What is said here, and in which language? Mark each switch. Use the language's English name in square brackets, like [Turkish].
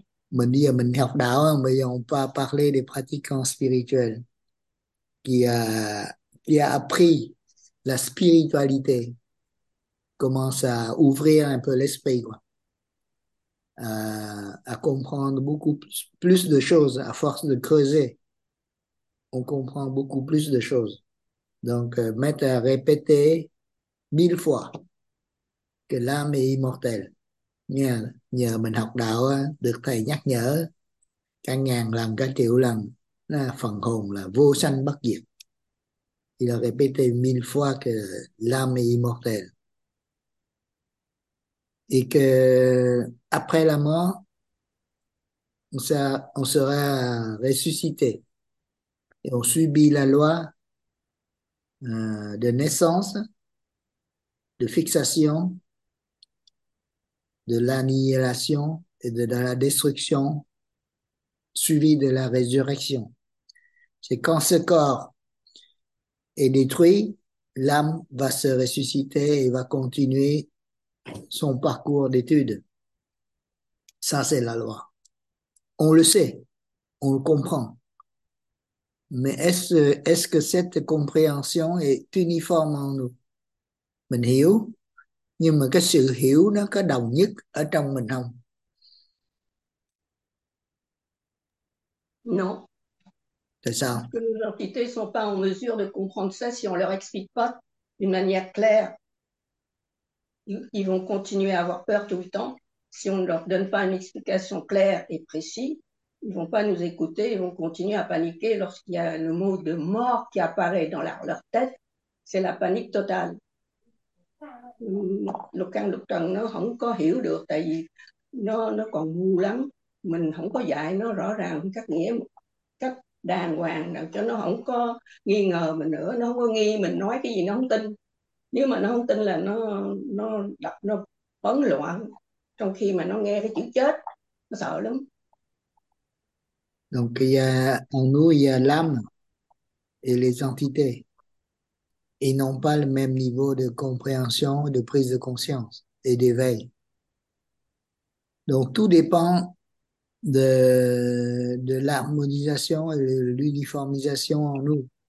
[Vietnamese] mình bây giờ mình học đạo, bây giờ [French] on va parler des pratiquants spirituels qui a appris la spiritualité, commence à ouvrir un peu l'esprit quoi, à comprendre beaucoup plus de choses à force de creuser, on comprend beaucoup plus de choses. Donc, mettre à répéter 1000 fois que l'âme est immortelle. [Vietnamese] Nhờ mình học đạo, được thầy nhắc nhở cả ngàn lần, cả triệu lần, là phần hồn là vô sanh bất diệt. Thì là [French] répéter 1000 fois que l'âme est immortelle. Et que après la mort, on sera ressuscité. Et on subit la loi de naissance, de fixation, de l'annihilation et de la destruction suivie de la résurrection. C'est quand ce corps est détruit, l'âme va se ressusciter et va continuer son parcours d'études. Ça, c'est la loi. On le sait, on le comprend. Mais est-ce que cette compréhension est uniforme en nous? [Vietnamese] Mình hiểu, nhưng mà cái sự hiểu nó có đồng nhất ở trong mình không? [French] Non, [Vietnamese] Tại [French] parce [Vietnamese] sao? [French] que nos entités ne sont pas en mesure de comprendre ça si on ne leur explique pas d'une manière claire. Ils vont continuer à avoir peur tout le temps. Si on ne leur donne pas une explication claire et précise, ils ne vont pas nous écouter, ils vont continuer à paniquer. Lorsqu'il y a le mot de mort qui apparaît dans leur tête, c'est la panique totale. L'aucun docteur [Vietnamese] nó không có hiểu được, tại vì nó còn ngu lắm. Mình không có dạy nó rõ ràng cách nghĩa một cách đàng hoàng nào cho nó không có nghi ngờ mình nữa, nó không có nghi mình nói cái gì nó không tin. Nếu mà nó không tin là nó bấn loạn, trong khi mà nó nghe cái chữ chết nó sợ lắm. [French] Donc, en nous, il y a l'âme et les entités. Ils n'ont pas le même niveau de compréhension, de prise de conscience et d'éveil. Donc, tout dépend de l'harmonisation et de l'uniformisation en nous.